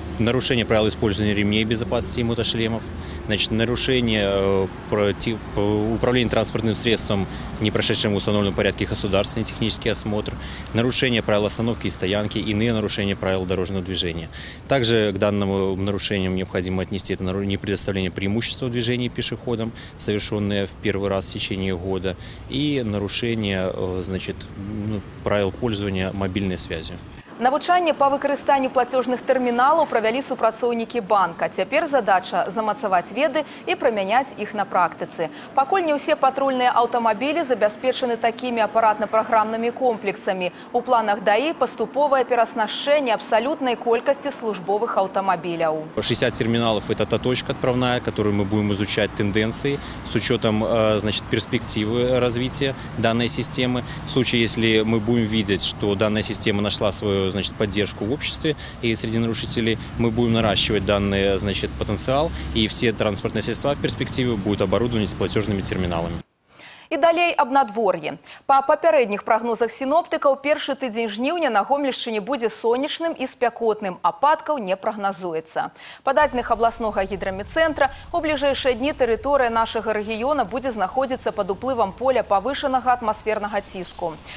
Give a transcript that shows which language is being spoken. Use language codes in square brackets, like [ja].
[ru] Нарушение правил использования ремней безопасности и мотошлемов, значит, нарушение управления транспортным средством, не прошедшим в установленном порядке государственный технический осмотр, нарушение правил остановки и стоянки, иные нарушения правил дорожного движения. Также к данному нарушению необходимо отнести это не предоставление преимущества в движении пешеходам, совершенное в первый раз в течение года, и нарушение, значит, правил пользования мобильной связью. [be] Навучанне па выкарыстанню плацежных терминалаў правялі супрацоўнікі банка. Цяпер задача замацаваць веды і прымяняць іх на практыцы. Пакуль не ўсе патрульныя аўтамабілі забяспечаны такімі апаратна-праграмнымі комплексамі. У планах ДАІ паступовае пераснашчэнне абсалютнай колькасці службовых аўтамабіляў. [ru] 60 терминалаў – это та точка адправная, которую мы будем изучать тенденции с учетом, значит, перспективы развития данной системы. В случае, если мы будем видеть, что данная система нашла свою, значит, поддержку в обществе и среди нарушителей, мы будем наращивать данный, значит, потенциал, и все транспортные средства в перспективе будут оборудованы платежными терминалами. [be] І далей аб надвор'і. Па папярэдніх прагнозах сіноптыкаў, першы тыдзень жніўня на Гомельшчыне будзе сонечным і спякотным, ападкаў не прагназуецца. Па дадзеных абласнога гідрамецэнтра, у бліжэйшыя дні тэрыторыя нашага рэгіёна будзе знаходзіцца пад уплывам поля павышанага атмасфернага ціску.